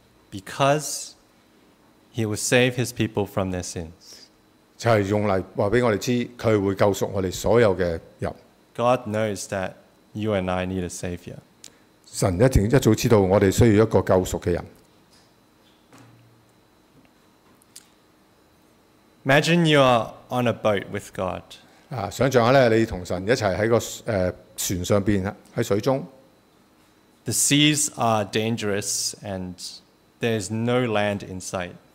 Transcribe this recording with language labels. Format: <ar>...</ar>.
<en>because He will save His people from their sins.</en> <zh>就是用來告訴我們,祂會救贖我們所有的人。</zh> <en>God knows that you and I need a Savior.</en> <zh>神一定一早知道我們需要一個救贖的人。</zh> <en>Imagine you are on a boat with God.</en> <zh>想像你和神一起在船上,在水中。</zh> <en>The seas are dangerous and there is no land in sight.</en>